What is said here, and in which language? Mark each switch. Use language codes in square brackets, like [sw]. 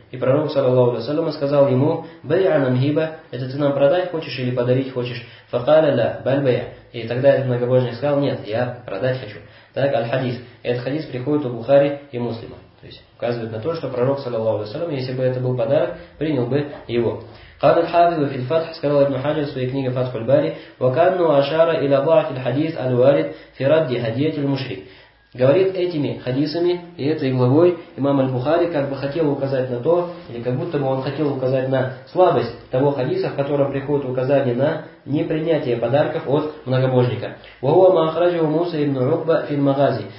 [ru] И пророк, саллаллаху алейхи ва саллям, сказал ему: [ar] «Бай'а нам хиба, [ru] это ты нам продай хочешь или подарить хочешь?» [ar] «Факаля ла, баль бай'а». [ru] И тогда этот многобожник сказал: «Нет, я продать хочу». Так, Аль-Хадис. Этот хадис приходит у Бухари и Муслима. То есть указывает на то, что пророк, саллаллаху алейхи ва саллям, если бы это был подарок, принял бы его. [ar] قال الحافظ في الفتح سكرال ابن حجر في كتابه فتح الباري وكانه أشار إلى ضعف الحديث الوارد في رد هدية المشرك. [ru] Говорит этими хадисами и этой главой имам аль-Бухари как бы хотел указать на то, или как будто бы он хотел указать на слабость того хадиса, в котором приходит указание на непринятие подарков от многобожника. [ar] وَهُوَ مَا أَخْرَجَهُ مُوسَى إِبْنُ عُقْبَ فِي الْمَغَازِي.